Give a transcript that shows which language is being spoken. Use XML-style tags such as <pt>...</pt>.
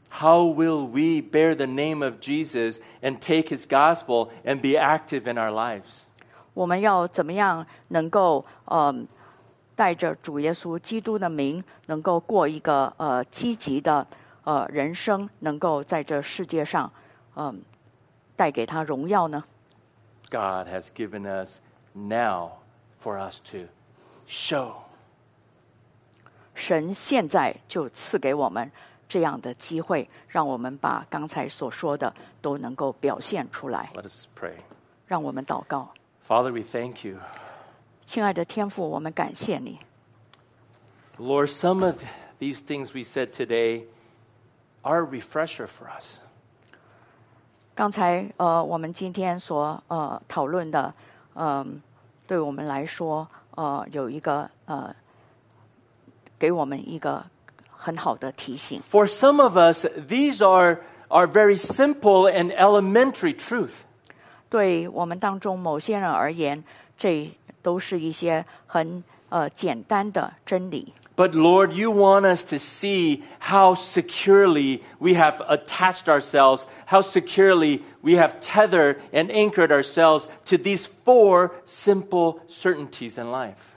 <en>How will we bear the name of Jesus and take his gospel and be active in our lives?</en> <zh>我们要怎么样能够带着主耶稣基督的名能够过一个积极的人生能够在这世界上带给他荣耀呢</zh> <en>God has given us now for us to show</en> <zh>神现在就赐给我们这样的机会让我们把刚才所说的都能够表现出来</zh> <en>Let us pray</en> <zh>让我们祷告</zh> <en>Father we thank you</en> <zh>亲爱的天父我们感谢你</zh> <en>Lord some of these things we said todayOur refresher for us.</en> <zh>刚才我们今天所讨论的对我们来说有一个给我们一个很好的提醒。</zh> <en>For some of us, these are very simple and elementary truth.</en> <zh>对我们当中某些人而言，这都是一些很简单的真理。</zh> <en>But Lord, you want us to see how securely we have attached ourselves, how securely we have tethered and anchored ourselves to these four simple certainties in life.</en>